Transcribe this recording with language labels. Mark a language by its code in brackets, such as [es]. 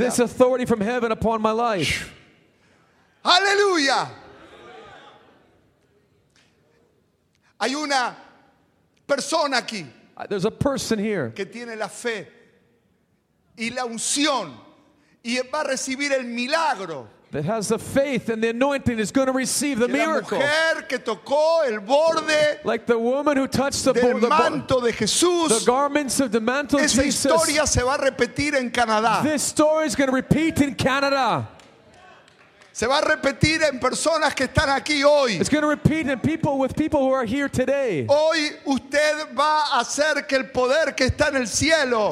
[en] This authority from heaven upon my life. [es] Aleluya. Hay una persona aquí. [en] There's a person here. [es] Que tiene la fe y la unción y va a recibir el milagro. [en] That has the faith and the anointing is going to receive the miracle. [es] Mujer que tocó el borde [en] like the woman who touched the [es] del manto de Jesús, [en] the garments of the mantle [es] esa [en] of Jesus. [es] Historia se va a repetir en Canadá. [en] This story is going to repeat in Canada. [es] Se va a repetir en personas que están aquí hoy. [en] It's going to repeat in people with people who are here today. [es] Hoy usted va a hacer que el poder que está en el cielo.